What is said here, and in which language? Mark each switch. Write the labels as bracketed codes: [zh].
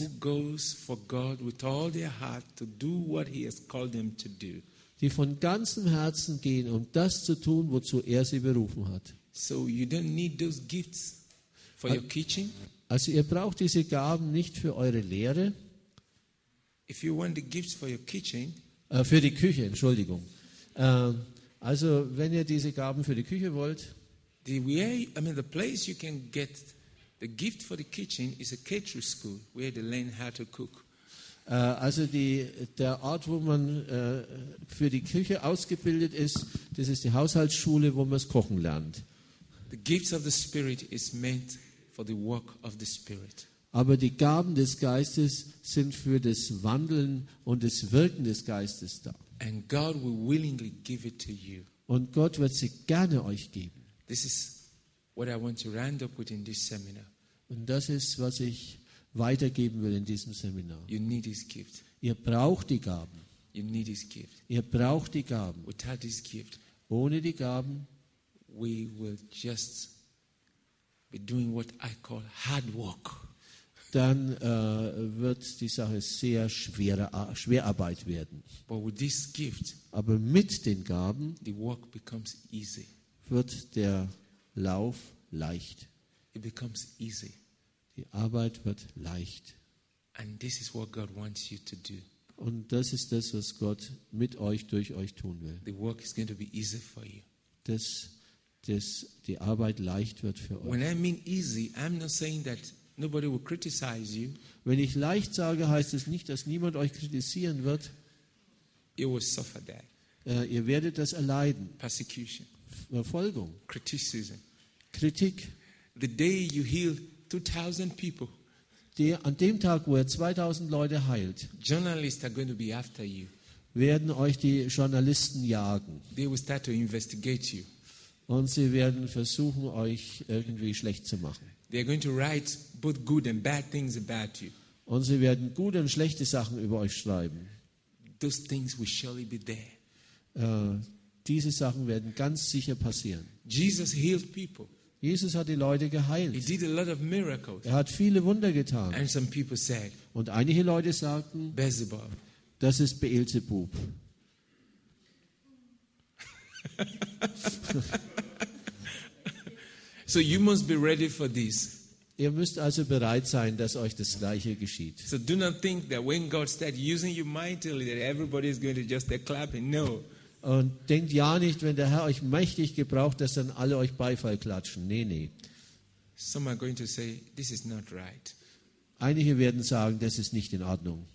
[en] who goes for God with all their heart to do what He has called them to do. [de] Die von ganzem Herzen gehen, um das zu tun, wozu er sie berufen hat. [en] So you don't need those gifts for your teaching. [de] Also ihr braucht diese Gaben nicht für eure Lehre. [en] If you want the gifts for your kitchen, [de] für die Küche, Entschuldigung. Also wenn ihr diese Gaben für die Küche wollt, [en] the place you can get the gift for the kitchen is a catering school where they learn how to cook. [de] Also der Ort, wo man für die Küche ausgebildet ist, das ist die Haushaltsschule, wo man es kochen lernt. [en] The gifts of the Spirit is meant for the work of the Spirit. [de] Aber die Gaben des Geistes sind für das Wandeln und das Wirken des Geistes da. [en] And God will willingly give it to you. [de] Und Gott wird sie gerne euch geben. [en] This is what I want to round up with in this seminar. [de] Und das ist, was ich weitergeben will in diesem Seminar. [en] You need his gift. [de] Ihr braucht die Gaben. [en] You need his gift. [de] Ihr braucht die Gaben. [en] Without his gift, [de] ohne die Gaben, [en] we will just be doing what I call hard work. [de] Dann wird die Sache sehr Schwerarbeit werden. [en] But with this gift, [de] aber mit den Gaben, [en] the work becomes easy. [de] Wird der Lauf leicht. [en] It becomes easy. [de] Die Arbeit wird leicht. [en] And this is what God wants you to do. [de] Und das ist das, was Gott mit euch, durch euch tun will. [en] The work is going to be easy for you. [de] Dass die Arbeit leicht wird für euch. [en] When I mean easy, I'm not saying that nobody will criticize you. [de] Wenn ich leicht sage, heißt es nicht, dass niemand euch kritisieren wird. [en] You will suffer that. [de] Ihr werdet das erleiden. [en] Persecution. [de] Verfolgung. [en] Criticism. [de] Kritik. [en] The day you heal 2,000 people. [de] An dem Tag, wo er 2000 Leute heilt, [en] Journalists are going to be after you. [de] Werden euch die Journalisten jagen. [en] They will start to investigate you. [de] Und sie werden versuchen, euch irgendwie schlecht zu machen. [en] They are going to write both good and bad things about you. [de] Und sie werden gute und schlechte Sachen über euch schreiben. [en] Those things will surely be there. [de] Diese Sachen werden ganz sicher passieren. [en] Jesus healed people. [de] Jesus hat die Leute geheilt. [en] He did a lot of miracles. [de] Er hat viele Wunder getan. [en] And some people said, [de] und einige Leute sagten, [en] Beelzebub. [de] Das ist Beelzebub. [en] So you must be ready for this. [de] Ihr müsst also bereit sein, dass euch das Gleiche geschieht. [en] So do not think that when God starts using you mightily that everybody is going to just clap and no. [de] Und denkt ja nicht, wenn der Herr euch mächtig gebraucht, dass dann alle euch Beifall klatschen. Nee. [en] Some are going to say, this is not right. [de] Einige werden sagen, das ist nicht in Ordnung.